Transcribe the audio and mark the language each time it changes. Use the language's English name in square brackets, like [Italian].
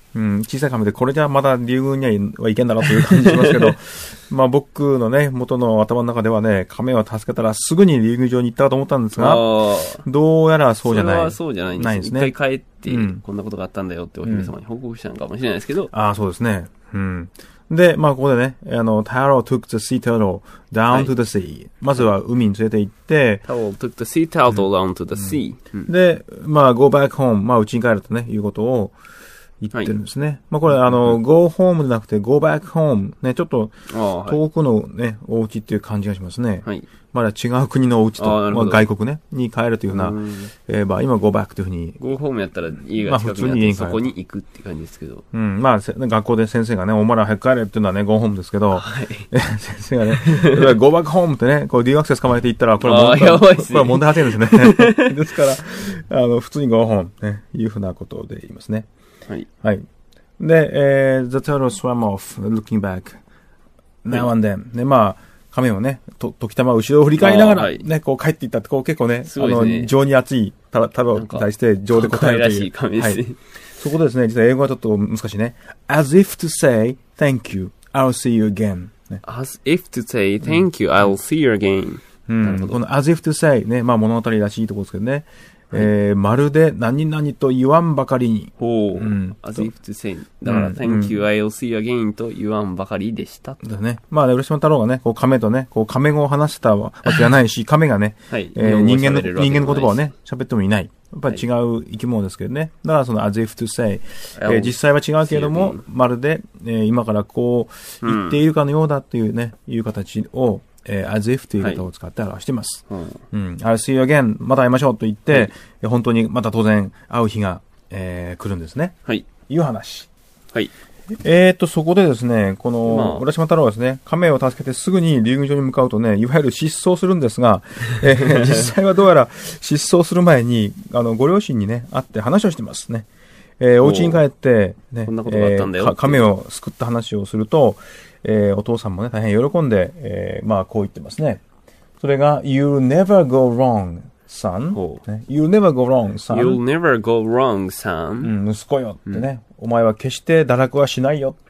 [Japanese] うん、小さい亀で、これじゃまだ竜宮にはいけんだろうという感じしますけど、まあ、僕のね、元の頭の中ではね、亀を助けたらすぐに竜宮城に行ったかと思ったんですが、どうやらそうじゃない。それはそうじゃないんです。ないですね。一回帰って、こんなことがあったんだよってお姫様に報告したのかもしれないですけど。うん、ああ、そうですね。うん。で、まあ、ここでね、 [English] 太郎 took the sea turtle down to the sea.、 [Japanese] はい、まずは海に連れて行って、 [English] 太郎 took the sea turtle down to the sea.、 [Japanese] うん、で、まあ、 [English] go back home、 [Japanese] まあ、家に帰るとね、いうことを言ってるんですね。はい、まあ、これ、 [English] go home [Japanese] じゃなくて [English] go back home [Japanese] ね、ちょっと、遠くのね、お家っていう感じがしますね。はい、まだ違う国のお家と、まあ、外国ね、に帰るというような、場合、今 [English] go back [Japanese] というふうに。 [English] go home [Japanese] やったら家が近くにあって、そこに行くって感じですけど。うん、まあ、学校で先生がね、お前ら早く帰れっていうのはね、 [English] go home [Japanese] ですけど、はい、先生がね、 [English] go back home [Japanese] ってね、こう留学生捕まえていったら、これは問題、やばいっすね、問題発生ですね。ですから、普通に [English] go home、 [Japanese] ね、いうふうなことで言いますね。はい。はい。 [English] で、the turtle swam off, looking back. Now and then. [Japanese] で、まあ、亀をね、時たま後ろを振り返りながらね、はい、こう帰っていったって、こう結構ね、すごいですね、情に熱い太郎に対して情で答えるという。かっこいいらしい亀ですね、はい。そこでですね、実は英語はちょっと難しいね。 [English] As if to say thank you, I'll see you again.、ね、 As if to say thank you, I'll see you again.、 [Japanese] うん、この [English] as if to say [Japanese] ね、まあ物語らしいところですけどね。まるで何々と言わんばかりに。ほう。うん。 [English] As if to say. [Japanese] だから、 [English] thank you, I'll see you again [Japanese] と言わんばかりでした。だね。まあね、浦島太郎がね、こう亀とね、こう亀語を話したわけじゃないし、亀がね、はい、人間の言葉をね、喋ってもいない。やっぱり違う生き物ですけどね。だからその [English] as if to say。 [Japanese] 実際は違うけれども、まるで、今からこう言っているかのようだというね、いう形を、as if という言葉を使って表しています、はい、うん、 [English] I'll see you again、 [Japanese] また会いましょうと言って、はい、本当にまた当然会う日が、来るんですね、はい、いう話、はい、そこでですね、この浦島太郎はですね、亀を助けてすぐに竜宮城に向かうとね、いわゆる失踪するんですが、実際はどうやら失踪する前にご両親にね、会って話をしてますね、お家に帰って、ね、こんなことがあったんだよ、亀を救った話をすると、お父さんもね、大変喜んで、まあ、こう言ってますね。 [English] それが、You'll never go wrong, son.、ね、You'll never go wrong, son. You'll never go wrong, son.、 [Japanese] うん、息子よってね、うん。お前は決して堕落はしないよ。